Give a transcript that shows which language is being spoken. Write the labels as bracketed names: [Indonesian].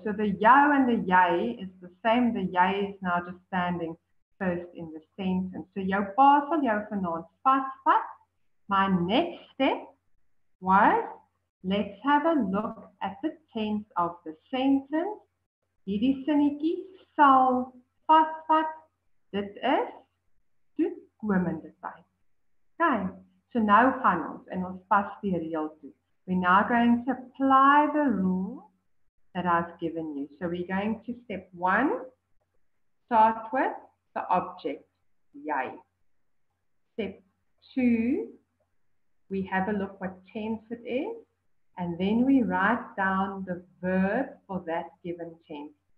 [English] So the jou and the jy is the same. The jy is now just standing first in the sentence. So [Afrikaans] jou pa sal jou vanaand vat vat. [English] My next step was, let's have a look at the tense of the sentence. [Afrikaans] Hierdie sinnetjie sal vasvat, dit is toekomende tyd. Okay, so nou gaan ons in ons pas die reël toe. [English] We're now going to apply the rule that I've given you. So we're going to step one, start with the object, jy. Step two, we have a look what tense it is, and then we write down the verb for that given tense.